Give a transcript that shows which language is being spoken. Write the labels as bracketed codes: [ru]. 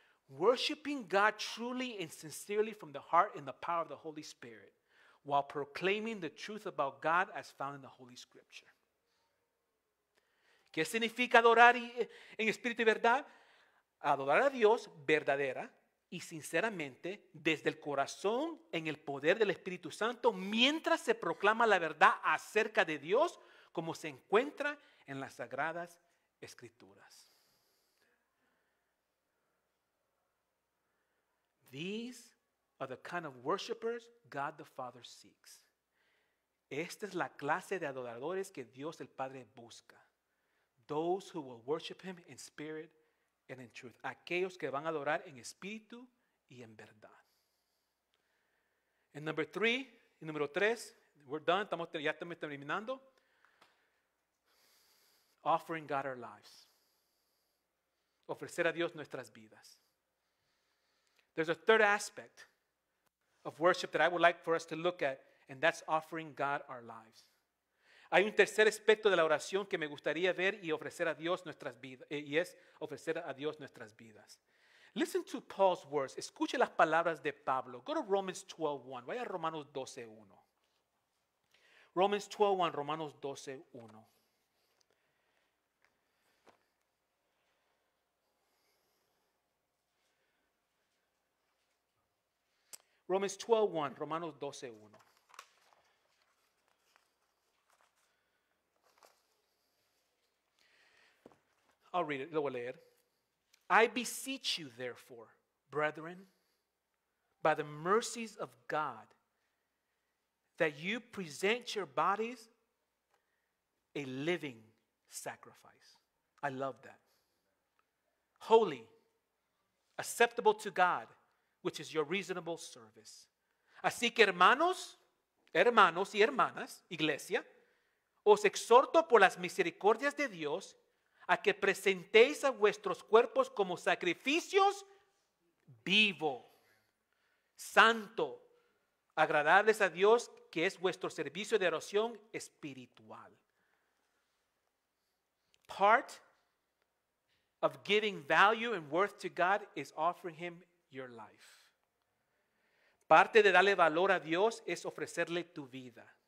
[en] Worshiping God truly and sincerely from the heart in the power of the Holy Spirit, while proclaiming the truth about God as found in the Holy Scripture. [es] ¿Qué significa adorar en espíritu y verdad? Adorar a Dios verdadera y sinceramente desde el corazón en el poder del Espíritu Santo mientras se proclama la verdad acerca de Dios como se encuentra en las Sagradas Escrituras. [en] These are the kind of worshipers God the Father seeks. [es] Esta es la clase de adoradores que Dios el Padre busca. [en] Those who will worship Him in spirit and in truth. [es] Aquellos que van a adorar en espíritu y en verdad. [en] And number three, [es] número tres, [en] we're done, [es] ya estamos terminando. [en] Offering God our lives. [es] Ofrecer a Dios nuestras vidas. [en] There's a third aspect of worship that I would like for us to look at, and that's offering God our lives. [es] Hay un tercer aspecto de la oración que me gustaría ver y ofrecer a Dios nuestras vidas, y es ofrecer a Dios nuestras vidas. [en] Listen to Paul's words. [es] Escuche las palabras de Pablo. [en] Go to Romans 12:1. [es] Vaya a Romanos 12:1. Romans 12:1, Romanos 12:1. [en] Romans 12:1, Romanos 12:1. I'll read it. [es] Lo voy a leer. [en] I beseech you, therefore, brethren, by the mercies of God, that you present your bodies a living sacrifice. I love that. Holy, acceptable to God, which is your reasonable service. [es] Así que hermanos, hermanos y hermanas, iglesia, os exhorto por las misericordias de Dios a que presentéis a vuestros cuerpos como sacrificios vivo, santo, agradables a Dios, que es vuestro servicio de oración espiritual. [en] Part of giving value and worth to God is offering Him your life. [es] Parte de darle valor a Dios es ofrecerle tu vida.